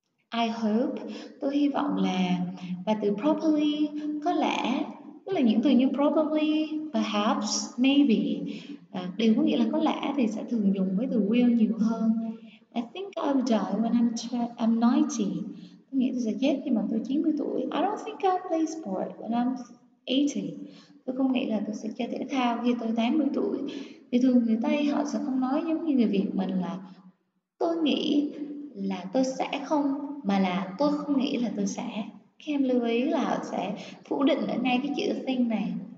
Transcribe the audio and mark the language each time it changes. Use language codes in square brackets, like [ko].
[vi] I hope, tôi hy vọng là, và từ probably, có lẽ, tức là những từ như probably, perhaps, maybe, đều có nghĩa là có lẽ thì sẽ thường dùng với từ will nhiều hơn. [en] I think I'll die when I'm 90. [vi] Tôi nghĩ tôi sẽ chết khi mà tôi 90 tuổi. [en] I don't think I'll play sport when I'm 80. [vi] Tôi không nghĩ là tôi sẽ chơi thể thao khi tôi 80 tuổi. Thì thường người Tây họ sẽ không nói giống như người Việt mình là tôi nghĩ là tôi sẽ không, mà là tôi không nghĩ là tôi sẽ. Các em lưu ý là họ sẽ phủ định ở ngay cái chữ thing này.